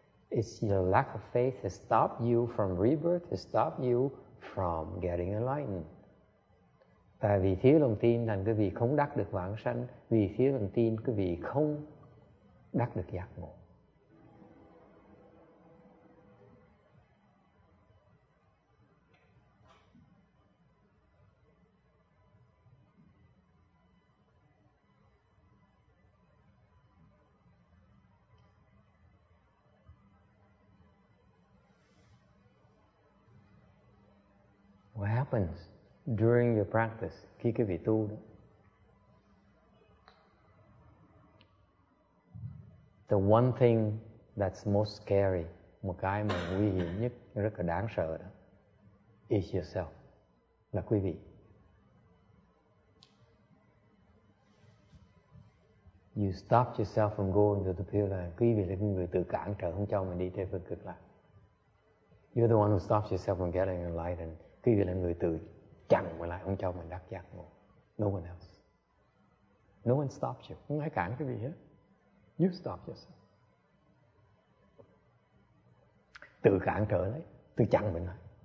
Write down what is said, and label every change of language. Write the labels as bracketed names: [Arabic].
[English] It's your lack of faith that stop you from rebirth, that stop you from getting enlightened. [Vietnamese] Tại vì thiếu lòng tin thành cái vị không đắc được vãng sanh, vì thiếu lòng tin cái vị không đắc được giác ngộ. [English] What happens during your practice? [Vietnamese] Khi quý vị tu đó. [English] The one thing that's most scary, [Vietnamese] một cái mà nguy hiểm nhất, rất là đáng sợ đó, [English] is yourself, [Vietnamese] là quý vị. [English] You stop yourself from going to the Pure Land. [Vietnamese] Quý vị là người tự cản trở, không cho mình đi tới phương cực lạc. [English] You're the one who stops yourself from getting enlightened. [Vietnamese] Quý vị là người tự chặn mình lại, không cho mình đắc giác ngộ. [English] No one else. No one stops you. [Vietnamese] Không ai cản quý vị hết. [English] You stop yourself. [Vietnamese] Tự cản trở lấy, tự chặn mình lại.